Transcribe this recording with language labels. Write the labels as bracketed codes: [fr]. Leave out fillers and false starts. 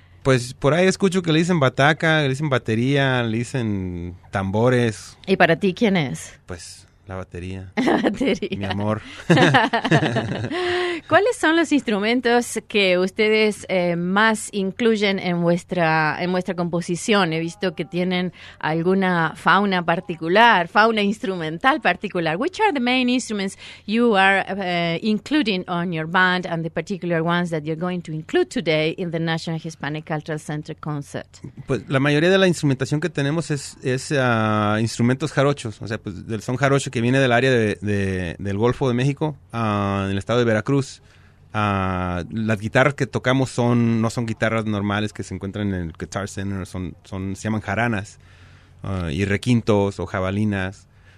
[es] Pues por ahí escucho que le dicen bataca, le dicen batería, le dicen tambores. ¿Y para ti quién es? Pues la batería. La batería. Mi amor. ¿Cuáles son los instrumentos que ustedes más incluyen en vuestra composición? He visto que tienen alguna fauna particular, fauna instrumental particular. [en] Which are the main instruments you are including on your band and the particular ones that you're going to include today in the National Hispanic Cultural Center concert? [es] Pues la mayoría de la instrumentación que tenemos es instrumentos jarochos, o sea, pues del son jarocho que viene del área del Golfo de México, en el estado de Veracruz. Las guitarras que tocamos no son guitarras normales que se encuentran en el Guitar Center, se llaman jaranas, y requintos o jabalinas.